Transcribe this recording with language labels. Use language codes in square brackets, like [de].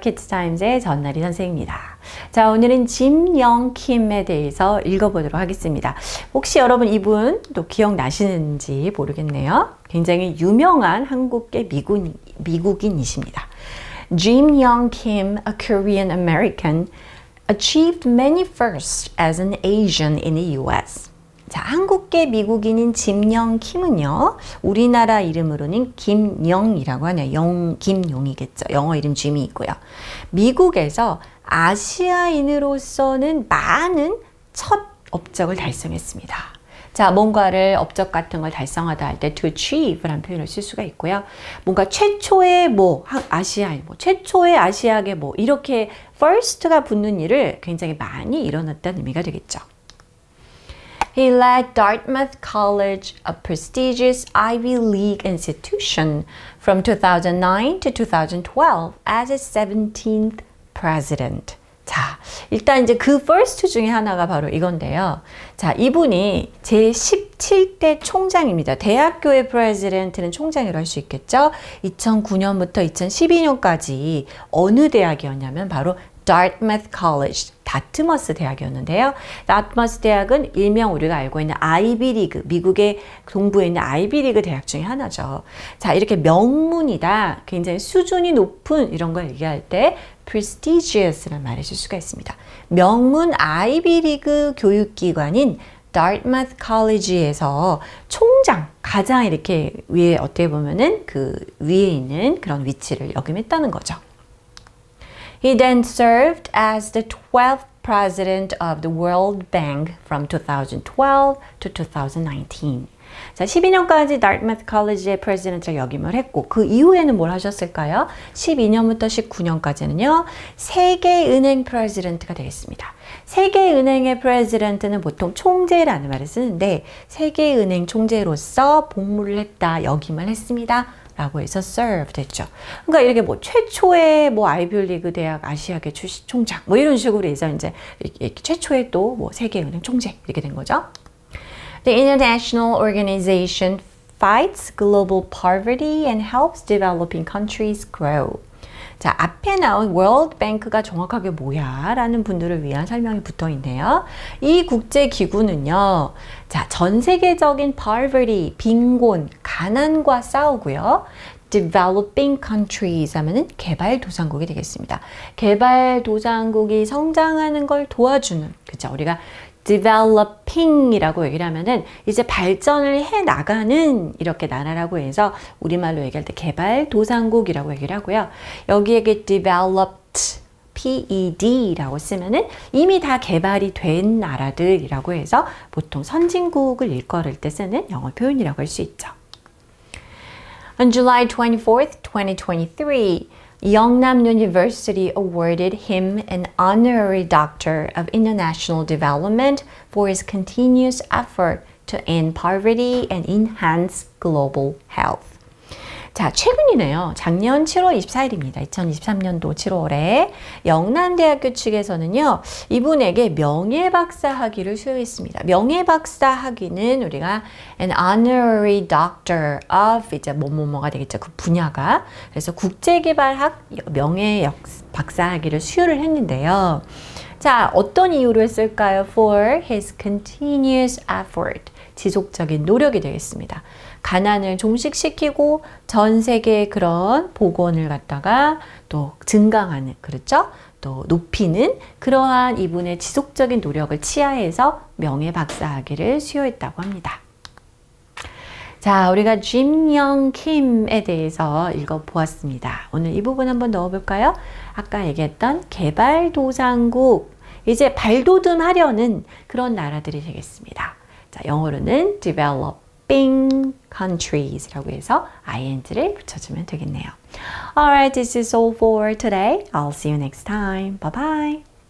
[ko] Kids Times의 전나리 선생입니다. 자, 오늘은 짐영 킴에 대해서 읽어보도록 하겠습니다. 혹시 여러분 이분 또 기억나시는지 모르겠네요. 굉장히 유명한 한국계 미국인이십니다. [en] Jim Young Kim, a Korean American, achieved many firsts as an Asian in the US. [ko] 자, 한국계 미국인인 짐영 킴은요, 우리나라 이름으로는 김영이라고 하냐, 영, 김용이겠죠. 영어 이름 짐이 있고요. 미국에서 아시아인으로서는 많은 첫 업적을 달성했습니다. 자, 뭔가를 업적 같은 걸 달성하다 할때 to achieve라는 표현을 쓸 수가 있고요. 뭔가 최초의 뭐 아시아인 뭐 최초의 아시아계 뭐 이렇게 first가 붙는 일을 굉장히 많이 일어났다는 의미가 되겠죠. [en] He led Dartmouth College, a prestigious Ivy League institution, from 2009 to 2012 as its 17th president. [ko] 자, 일단 이제 그 퍼스트 중에 하나가 바로 이건데요. 자, 이분이 제17대 총장입니다. 대학교의 프레지던트는 총장이라고 할수 있겠죠? 2009년부터 2012년까지 어느 대학이었냐면 바로 Dartmouth College, 다트머스 대학이었는데요. 다트머스 대학은 일명 우리가 알고 있는 아이비리그, 미국의 동부에 있는 아이비리그 대학 중에 하나죠. 자, 이렇게 명문이다, 굉장히 수준이 높은 이런 걸 얘기할 때 prestigious란 말을 쓸 수가 있습니다. 명문 아이비리그 교육기관인 Dartmouth College에서 총장, 가장 이렇게 위에 어떻게 보면은 그 위에 있는 그런 위치를 역임했다는 거죠. [en] He then served as the 12th president of the World Bank from 2012 to 2019. [ko] 자, 12년까지 다트머스 칼리지의 프레지던트를 역임을 했고, 그 이후에는 뭘 하셨을까요? 12년부터 19년까지는요, 세계은행 프레지던트가 되겠습니다. 세계은행의 프레지던트는 보통 총재라는 말을 쓰는데, 세계은행 총재로서 복무를 했다, 역임을 했습니다. 라고 해서 serve 됐죠. 그러니까 이렇게 뭐 최초의 뭐 아이비리그 대학 아시아계 출신 총장 뭐 이런 식으로 해서 이제 이렇게 최초의 또뭐 세계은행 총재 이렇게 된 거죠. [en] The International Organization fights global poverty and helps developing countries grow. [ko] 자, 앞에 나온 World Bank가 정확하게 뭐야라는 분들을 위한 설명이 붙어 있네요. 이 국제 기구는요. 자, 전 세계적인 poverty, 빈곤, 가난과 싸우고요. Developing countries 하면은 개발 도상국이 되겠습니다. 개발 도상국이 성장하는 걸 도와주는, 그쵸? 우리가 developing이라고 얘기를 하면은 이제 발전을 해 나가는 이렇게 나라라고 해서 우리말로 얘기할 때 개발 도상국이라고 얘기를 하고요. 여기에게 developed, PED라고 쓰면은 이미 다 개발이 된 나라들이라고 해서 보통 선진국을 일컬을 때 쓰는 영어 표현이라고 할수 있죠. [en] On July 24th, 2023, Yongnam University awarded him an honorary doctor of international development for his continuous effort to end poverty and enhance global health. [ko] 자, 최근이네요. 작년 7월 24일입니다. 2023년도 7월에 영남대학교 측에서는요, 이분에게 명예박사학위를 수여했습니다. 명예박사학위는 우리가 [en] an honorary doctor of [ko] 이제 뭐뭐뭐가 되겠죠. 그 분야가. 그래서 국제개발학 명예박사학위를 수여를 했는데요. 자, 어떤 이유로 했을까요? [en] For his continuous effort. [ko] 지속적인 노력이 되겠습니다. 가난을 종식시키고 전 세계의 그런 복원을 갖다가 또 증강하는, 그렇죠? 또 높이는 그러한 이분의 지속적인 노력을 치하해서 명예박사학위를 수여했다고 합니다. 자, 우리가 짐영 킴에 대해서 읽어보았습니다. 오늘 이 부분 한번 넣어볼까요? 아까 얘기했던 개발도상국, 이제 발돋움하려는 그런 나라들이 되겠습니다. 자, 영어로는 developing countries라고 해서 ing를 붙여주면 되겠네요. [en] Alright, this is all for today. I'll see you next time. Bye bye.